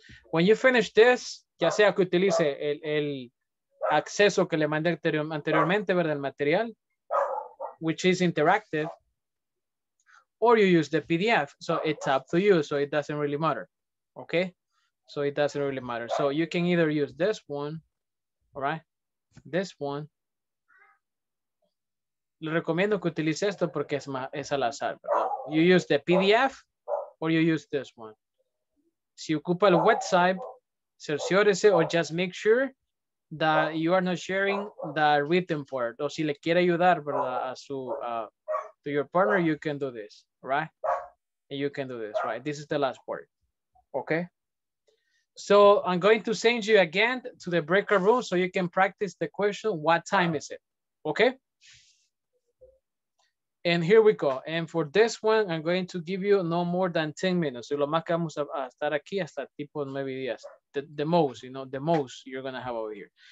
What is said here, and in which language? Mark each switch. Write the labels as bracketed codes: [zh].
[en] When you finish this, [es] ya sea que utilice el acceso que le mandé anteriormente, ¿verdad? El material, [en] which is interactive, or you use the PDF, so it's up to you, so it doesn't really matter, okay? So it doesn't really matter. So you can either use this one, all right? This one. [es] Le recomiendo que utilice esto porque es al azar, ¿verdad? [en] You use the PDF or you use this one. [es] Si ocupa el website, cerciórese o [en] just make sure that you are not sharing the written part. [es] O si le quiere ayudar, ¿verdad? A su, [en] to your partner, you can do this, right? And you can do this, right? This is the last part, okay? So I'm going to send you again to the breakout room so you can practice the question, what time is it, okay? And here we go. And for this one, I'm going to give you no more than 10 minutes. [es] Lo más que vamos a estar aquí hasta tipo 9 días. [en] The most, you know, the most you're going to have over here.